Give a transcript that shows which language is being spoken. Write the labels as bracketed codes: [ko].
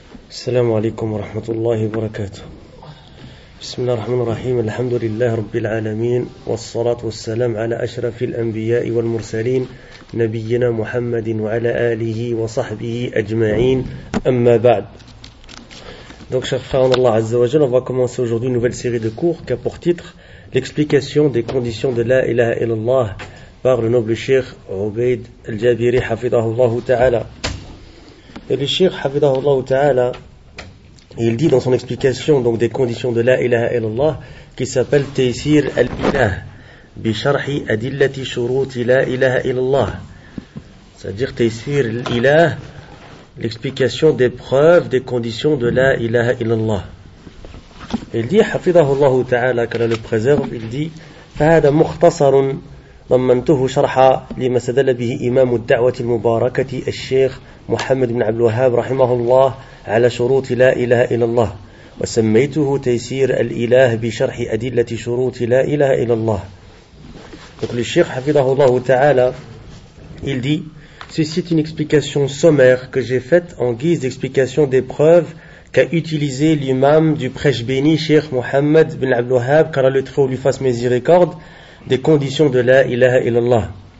[ar] السلام عليكم ورحمة الله وبركاته. بسم الله الرحمن الرحيم. الحمد لله رب العالمين، والصلاة والسلام على أشرف الأنبياء والمرسلين نبينا محمد وعلى آله وصحبه أجمعين، أما بعد. [fr] Donc, cher frère en Allah Azza wa Jal, on va commencer aujourd'hui une nouvelle série de cours qui a pour titre l'explication des conditions de la ilaha illallah par le noble Cheikh Ubayd al-Jabiri hafidahullah ta'ala. Et le Cheikh hafidahullah ta'ala, il dit dans son explication donc des conditions de la ilaha illallah qui s'appelle Taysir al-Ilah bi sharhi adillati shuruti la ilaha illallah. C'est-à-dire Taysir al-Ilah, l'explication des preuves des conditions de la ilaha illallah. Il dit hafidahullah ta'ala, qu'Allah le préserve, il dit [ar] فهذا مختصر ضمنته شرح لما استدل به إمام الدعوة المباركة الشيخ محمد بن عبد الوهاب رحمه الله على شروط لا إله إلا الله، وسميته تيسير الإله بشرح أدلة شروط لا إله إلا الله. [fr] Donc le Cheikh [ar] حفظه الله تعالى, [fr] il dit, ceci est une explication sommaire que j'ai faite en guise d'explication des preuves qu'a utilisé l'imam du prêche béni Cheikh Mohammed bin Abdul Wahhab, qu'Allah le trouve lui fasse miséricorde, des conditions de la ilaha illallah.